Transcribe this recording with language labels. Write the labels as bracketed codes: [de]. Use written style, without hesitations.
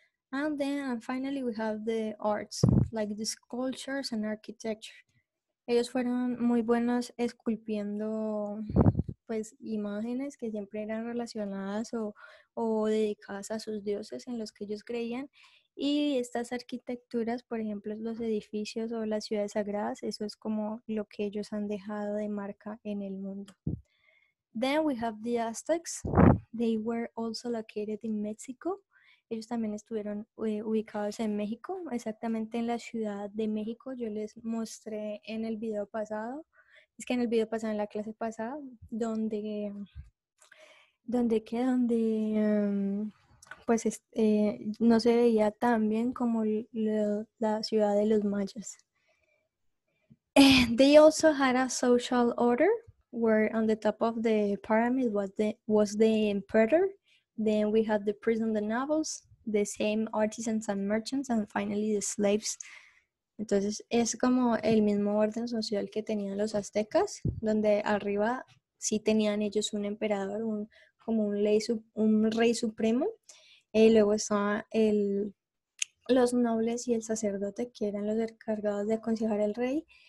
[en] And finally we have the arts, like the sculptures and architecture. [es] Ellos fueron muy buenos esculpiendo pues imágenes que siempre eran relacionadas o dedicadas a sus dioses en los que ellos creían. Y estas arquitecturas, por ejemplo, los edificios o las ciudades sagradas, eso es como lo que ellos han dejado de marca en el mundo. [en] Then we have the Aztecs. They were also located in Mexico. [es] Ellos también estuvieron ubicados en México, exactamente en la Ciudad de México. Yo les mostré en el video pasado, es que en el video pasado, en la clase pasada, donde no se veía tan bien como la ciudad de los mayas. [en] They also had a social order where on the top of the pyramid was the emperor. Then we had the priests, the nobles, the same artisans and merchants, and finally the slaves. [es] Entonces es como el mismo orden social que tenían los aztecas, donde arriba sí tenían ellos un emperador, un rey supremo, y luego estaban los nobles y el sacerdote, que eran los encargados de aconsejar al rey,